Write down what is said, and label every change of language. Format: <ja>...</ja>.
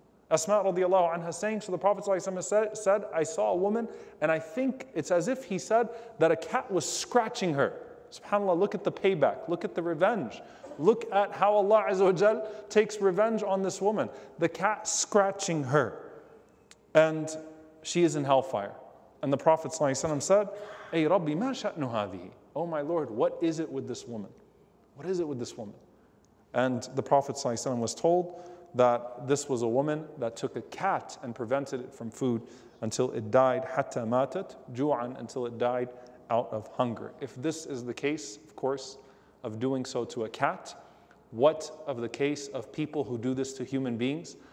<en>Asma radiallahu anha saying, so the Prophet said, I saw a woman, and I think it's as if he said that a cat was scratching her. SubhanAllah, look at the payback, look at the revenge. Look at how Allah Azza wa Jal takes revenge on this woman. The cat scratching her, and she is in hellfire. And the Prophet said,</en> <ar>أَيْ رَبِّ مَا شَأْنُ هَذِهِ.</ar> <en>Oh my Lord, what is it with this woman? What is it with this woman? And the Prophet ﷺ was told that this was a woman that took a cat and prevented it from food until it died,</en> <ar>حتى ماتت جوعاً,</ar> <en>until it died out of hunger. If this is the case, of course, of doing so to a cat, what of the case of people who do this to human beings?</en>